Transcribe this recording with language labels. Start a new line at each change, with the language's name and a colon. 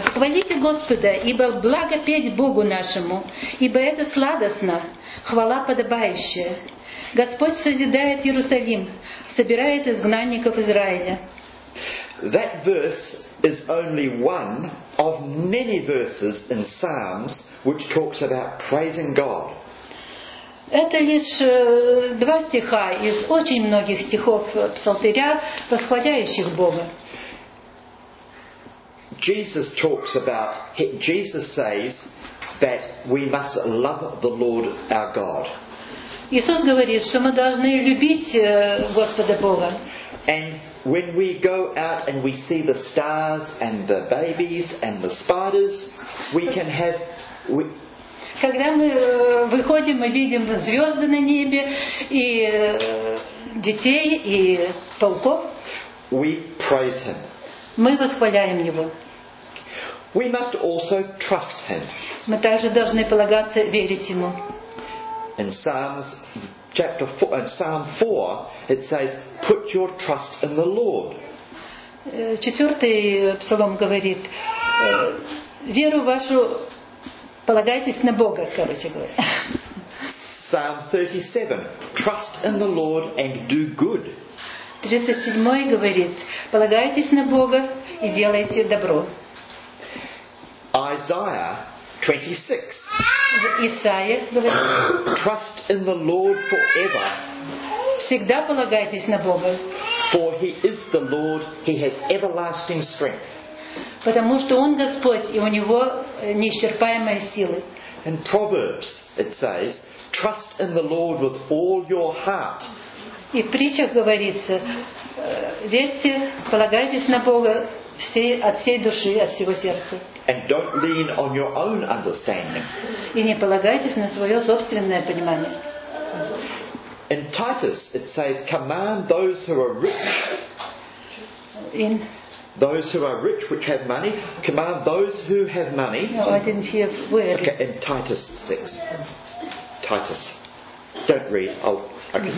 Russian: Хвалите Господа, ибо благо петь Богу нашему, ибо это сладостно, хвала подобающая. Господь созидает Иерусалим, собирает изгнанников Израиля.
English: That verse is only one of many verses in Psalms which talks about praising God.
Russian: Это лишь два стиха из очень многих стихов псалтыря, восхваляющих Бога.
English: Jesus talks about, Jesus says that we must love the Lord our God.
Russian: Иисус говорит, что мы должны любить Господа Бога.
English: And when we go out and we see the stars and the babies and the spiders, we can have...
Russian: Когда мы выходим и видим звезды на небе, и детей, и пауков,
English: we praise him.
Russian: Мы восхваляем Его.
English: We must also trust him.
Russian: Мы также должны полагаться, верить ему.
English: In Psalms chapter 4, in Psalm 4, it says, "Put your trust in the Lord."
Russian: Четвертый псалом говорит, веру вашу полагайтесь на Бога, короче говоря.
English: Psalm 37, trust in the Lord and do good.
Russian: 37 говорит, полагайтесь на Бога и делайте добро.
English: Isaiah 26.
Russian: Исаия говорит,
English: trust in the Lord forever.
Russian: Всегда полагайтесь на Бога.
English: For he is the Lord, he has everlasting strength.
Russian: Потому что он Господь, и у него неисчерпаемая сила.
English: In Proverbs it says, trust in the Lord with all your heart.
Russian: И в притчах говорится, верьте, полагайтесь на Бога от всей души, от всего сердца.
English: And don't lean on your own understanding.
Russian: И не полагайтесь на свое собственное понимание.
English: In Titus it says, command those who are rich. In those who are rich, which have money, command those who have money. No, I didn't hear where. Okay, in Titus 6. Titus. Don't read. I'll, okay, mm-hmm.